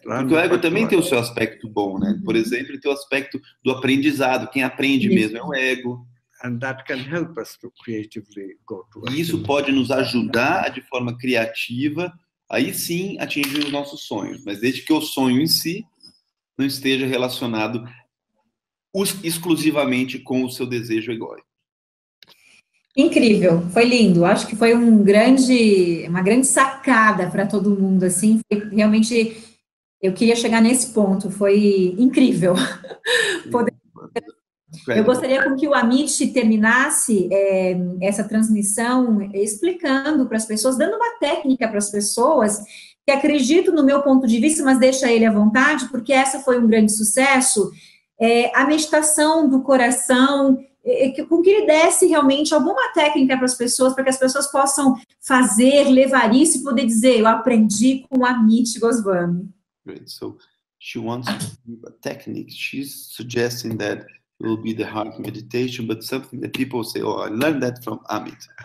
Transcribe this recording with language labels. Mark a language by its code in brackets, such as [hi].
[pt] Porque o ego também tem o seu aspecto bom, né? Por exemplo, ele tem o aspecto do aprendizado. Quem aprende mesmo é o ego. [en] And that can help us to creatively go to. [pt] E isso pode nos ajudar de forma criativa, aí sim atingir os nossos sonhos. Mas desde que o sonho em si não esteja relacionado exclusivamente com o seu desejo egóico. Incrível, foi lindo. Acho que foi uma grande sacada para todo mundo. Assim, realmente, eu queria chegar nesse ponto. Foi incrível. Eu gostaria com que o Amit terminasse essa transmissão explicando para as pessoas, dando uma técnica para as pessoas, que acredito no meu ponto de vista, mas deixa ele à vontade, porque essa foi um grande sucesso. A meditação do coração, com que ele desse realmente alguma técnica para as pessoas, para que as pessoas possam fazer, levar isso e poder dizer, eu aprendi com o Amit Goswami. [en] Great, so she wants to give a technique. She's suggesting that it will be the heart meditation, but something that people say, oh, I learned that from Amit.